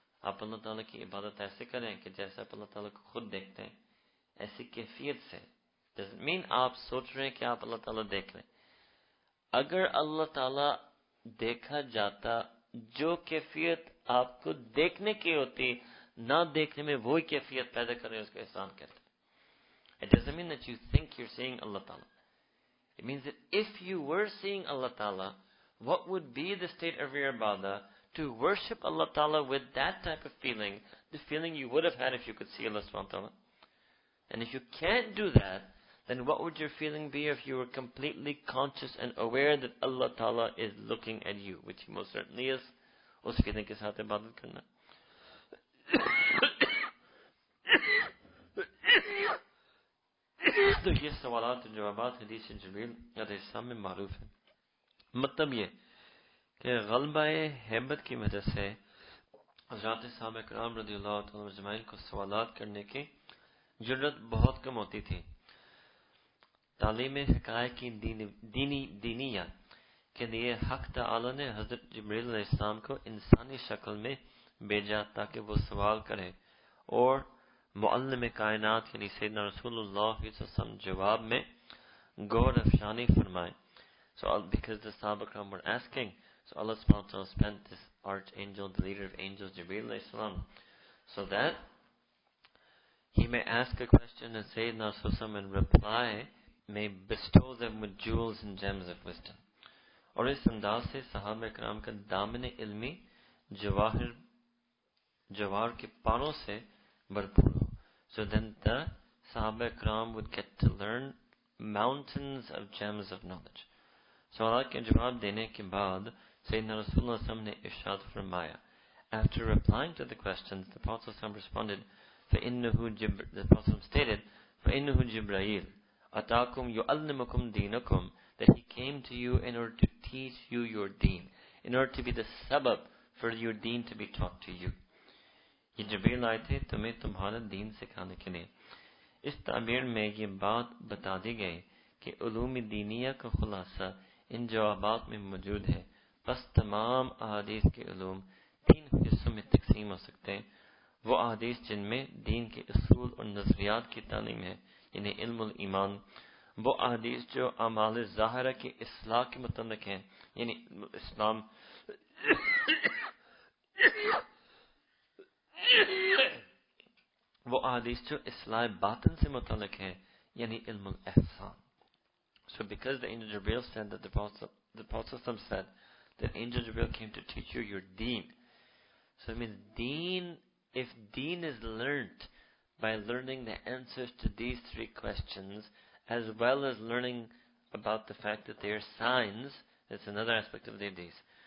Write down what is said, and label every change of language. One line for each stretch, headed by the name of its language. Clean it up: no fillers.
Urdu: آپ اللہ تعالیٰ کی عبادت ایسے کریں کہ جیسے آپ اللہ تعالیٰ کو خود دیکھتے ہیں ایسی کیفیت سے.
English: Doesn't mean
Urdu: آپ سوچ رہے ہیں کہ آپ اللہ تعالیٰ دیکھ رہے ہیں. اگر اللہ تعالیٰ دیکھا جاتا جو کیفیت آپ کو دیکھنے کی ہوتی نہ دیکھنے میں وہی کیفیت پیدا کر رہے ہیں اس کو احسان کہتے ہیں.
English: It doesn't mean that you think you're seeing Allah Ta'ala. It means that if you were seeing Allah Ta'ala, what would be the state of your ibadah to worship Allah Ta'ala with that type of feeling, the feeling you would have had if you could see Allah Subhanahu Wa Ta'ala? And if you can't do that, then what would your feeling be if you were completely conscious and aware that Allah Ta'ala is looking at you, which He most certainly is.
Urdu: اس feeling کے ساتھ عبادت کرنا. تو یہ سوالات اور جوابات حدیث جبریل علیہ السلام میں معروف ہیں. مطلب یہ کہ غلبہ ہیبت کی وجہ سے حضرات صحابہ کرام رضی اللہ تعالیٰ اجمعین کو سوالات کرنے کی جرات بہت کم ہوتی تھی. تعلیم حقائق کی دینیات کے لیے حق تعالیٰ نے حضرت جبریل علیہ السلام کو انسانی شکل میں بھیجا تاکہ وہ سوال کرے اور معلم کائنات یعنی سیدنا رسول اللہ صلی اللہ علیہ وسلم جواب میں غور افشانی فرمائے.
English: So because the sahaba kram were asking, so Allah subhanahu wa ta'ala sent this archangel, the leader of angels, Jibreel alayhi salam, so that he may ask a question and Sayyidina Rasulullah in reply may bestow them with jewels and gems of wisdom.
Urdu: اور اس انداز سے صحابہ کرام کا دامن علمی جواہر کے پاروں سے بھرپور ہو.
English: So then the صحابہ کرام would get to learn mountains of gems of knowledge.
Urdu: سوالات کے جواب دینے کے بعد سیدنا رسول اللہ صلی اللہ علیہ وسلم نے ارشاد فرمایا.
English: After replying to the questions, the Prophet صلی اللہ علیہ وسلم responded,
Arabic: فَإِنَّهُ جِبْرَائِيلُ أَتَاكُمْ يُعَلِّمُكُمْ دِينَكُمْ,
English: that he came to you in order to teach you your deen, in order to be the sabab for your deen to be taught to you.
Urdu: یہ جبریل آئے تھے تمہیں تمہارا دین سکھانے کے لئے. اس تعبیر میں یہ بات بتا دی گئی کہ علوم دینیہ کا خلاصہ ان جوابات میں موجود ہے. بس تمام احادیث کے علوم تین حصوں میں تقسیم ہو سکتے ہیں. وہ احادیث جن میں دین کے اصول اور نظریات کی تعلیم ہے یعنی علم الایمان, وہ احادیث جو اعمال ظاہرہ کے اصلاح کے متعلق ہیں یعنی اسلام وہ احادیث جو اصلاح باطن سے متعلق ہیں یعنی علم الاحسان.
English: So because the angel Jibreel said that the Prophet said that angel Jibreel came to teach you your deen. So it means deen, if deen is learnt by learning the answers to these three questions, as well as learning about the fact that they are signs, that's another aspect of the hadith.